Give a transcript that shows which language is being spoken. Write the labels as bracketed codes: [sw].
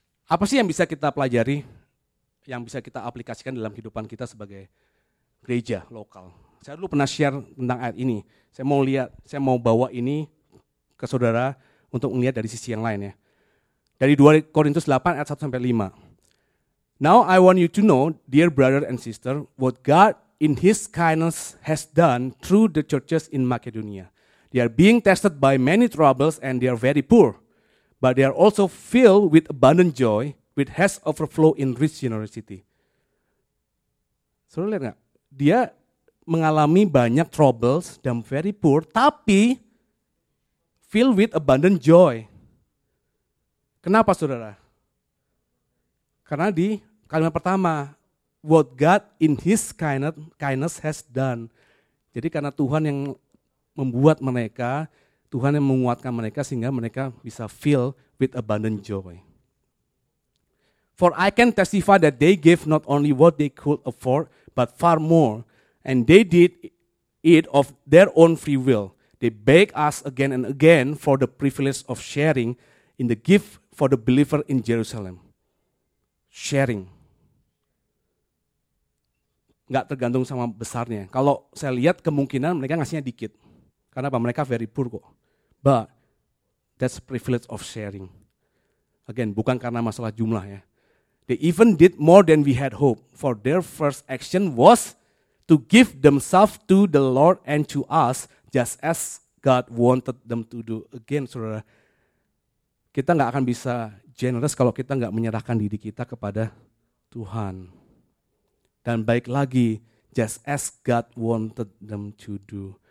[id] Apa sih yang bisa kita pelajari, yang bisa kita aplikasikan dalam kehidupan kita sebagai gereja lokal? Saya dulu pernah share tentang ayat ini. Saya mau lihat, saya mau bawa ini ke saudara untuk melihat dari sisi yang lain ya. Dari 2 Korintus 8 ayat 1-5. [en] Now I want you to know, dear brother and sister, what God in his kindness has done through the churches in Macedonia. They are being tested by many troubles and they are very poor. But they are also filled with abundant joy, which has overflowed in rich generosity. [id] Saudara lihat gak? Dia mengalami banyak troubles dan [en] very poor, [id] tapi [en] filled with abundant joy. [id] Kenapa saudara? Karena di kalimat pertama, [en] what God in his kindness has done. [id] Jadi karena Tuhan yang membuat mereka, Tuhan yang menguatkan mereka sehingga mereka bisa [en] filled with abundant joy. For I can testify that they gave not only what they could afford, but far more. And they did it of their own free will. They begged us again and again for the privilege of sharing in the gift for the believer in Jerusalem. Sharing. [id] Gak tergantung sama besarnya. Kalau saya lihat kemungkinan mereka ngasihnya dikit. Karena apa? Mereka [en] very poor [id] kok. [en] But that's privilege of sharing. [id] Again, bukan karena masalah jumlah ya. [en] They even did more than we had hoped, for their first action was to give themselves to the Lord and to us, just as God wanted them to do. [id] Again, saudara, kita gak akan bisa generous kalau kita gak menyerahkan diri kita kepada Tuhan. Dan baik lagi, [en] just as God wanted them to do.